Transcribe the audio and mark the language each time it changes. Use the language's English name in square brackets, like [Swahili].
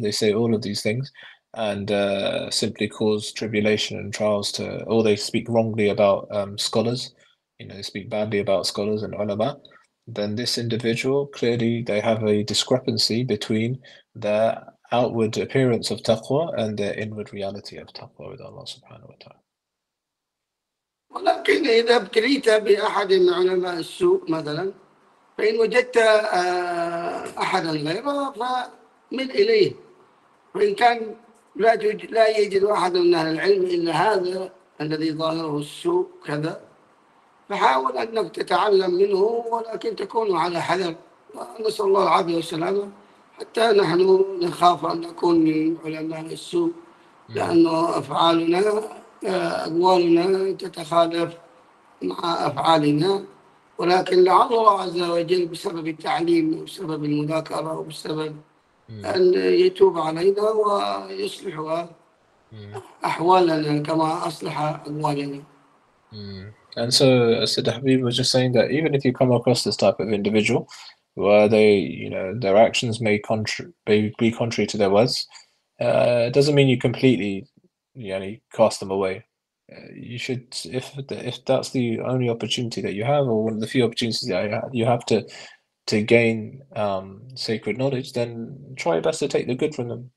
[English] They say all of these things and simply cause tribulation and trials to, or they speak wrongly about scholars, you know, they speak badly about scholars and ulama, then this individual, clearly they have a discrepancy between their outward appearance of taqwa and their inward reality of taqwa with Allah subhanahu wa ta'ala. [Arabic] ولكن إذا ابتليت بأحد من علماء السوء مثلا، فإن وجدت أحدا غيره فمل إليه، وإن كان لا يجد أحد من أهل العلم إلا هذا الذي ظاهره السوء كذا، فحاول أنك تتعلم منه، ولكن تكون على حذر، نسأل الله العافية والسلامة، حتى نحن نخاف أن نكون من علماء السوء، لأنه أفعالنا أقوالنا تتخالف مع أفعالنا، ولكن لعل الله عز وجل بسبب التعليم وبسبب المذاكرة وبسبب أن يتوب علينا ويصلح أحوالنا كما أصلح أقوالنا. [English] And so Sid Habib was just saying that even if you come across this type of individual where they, you know, their actions may be contrary to their words, it doesn't mean you completely, you know, cast them away. You should, if that's the only opportunity that you have, or one of the few opportunities that you have to gain sacred knowledge, then try your best to take the good from them.